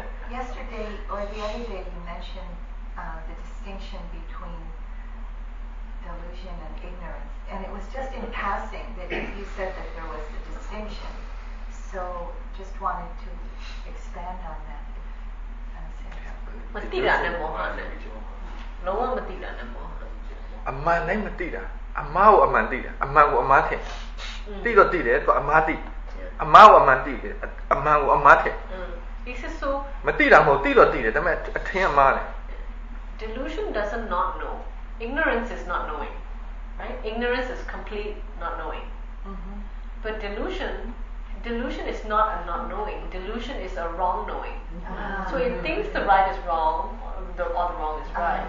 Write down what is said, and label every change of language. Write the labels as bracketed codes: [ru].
[en] yesterday or the other day you mentioned the distinction between delusion and ignorance and it was just in passing that you said that there was a distinction so just wanted to expand on that and say [pi] matira na mohana no wa matira na mohana [my] အမှန်နဲ့မသိတာအမားကိုအမှန်သိတာအမှန်ကိုအမားထင် သိတော့သိတယ်သူအမားသိအမားကိုအမှန်သိတယ်အမှန်ကိုအမားထင်ဒီစဆို မသိတာမဟုတ်သိတော့သိတယ်ဒါပေမဲ့အထင်အမားလေ [en] delusion doesn't not know ignorance is not knowing right ignorance is complete not knowing mm-hmm. but delusion is not a not knowing delusion is a wrong knowing uh-huh. so it thinks the right is wrong the other wrong is right